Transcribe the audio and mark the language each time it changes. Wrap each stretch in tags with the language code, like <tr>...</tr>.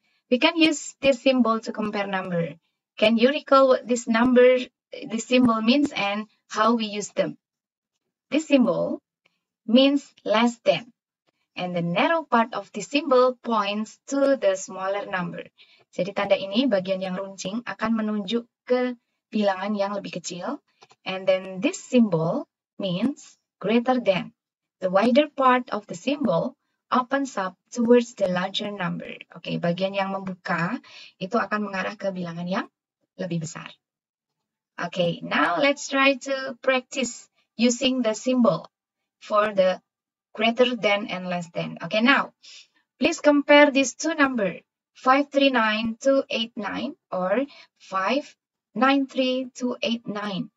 <en>We can use this symbol to compare number. Can you recall what this number, this symbol means and how we use them? This symbol means less than. And the narrow part of the symbol points to the smaller number.</en> <id>Jadi tanda ini, bagian yang runcing, akan menunjuk ke bilangan yang lebih kecil.</id> <en>And then this symbol means greater than. The wider part of the symbol opens up towards the larger number.</en> <id>Oke, bagian yang membuka itu akan mengarah ke bilangan yang lebih besar.</id> <en>Oke, now let's try to practice using the symbol for the greater than and less than. Okay, now, please compare these two numbers, 539289 or 593289.</en>